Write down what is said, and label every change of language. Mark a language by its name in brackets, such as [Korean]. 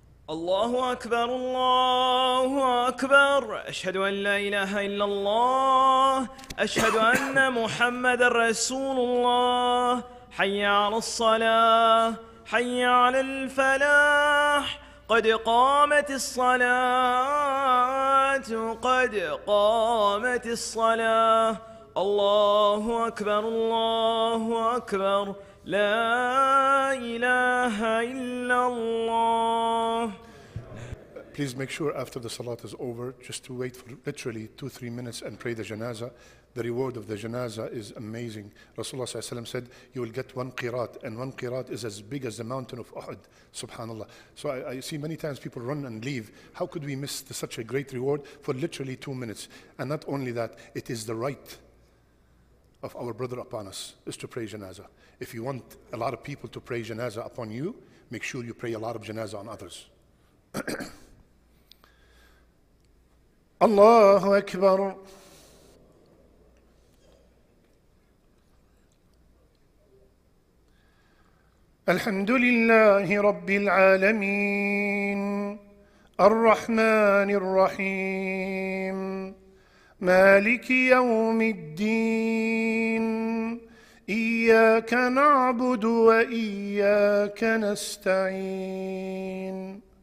[Arabic] الله أكبر الله أكبر أشهد أن لا إله إلا الله أشهد أن محمد رسول الله حي على الصلاة حي على الفلاح قد قامت الصلاة قد قامت الصلاة الله أكبر الله أكبر لا إله إلا الله. [English] Please make sure after the salat is over, just to wait for literally 2-3 minutes and pray the janazah. The reward of the janazah is amazing. Rasulullah ﷺ said, you will get one qirat, and one qirat is as big as the mountain of Uhud, subhanallah. So I see many times people run and leave. How could we miss such a great reward for literally 2 minutes? And not only that, it is the right of our brother upon us is to pray janazah. If you want a lot of people to pray janazah upon you, make sure you pray a lot of janazah on others. [Arabic] الله أكبر الحمد لله رب العالمين الرحمن الرحيم مالك يوم الدين إياك نعبد وإياك نستعين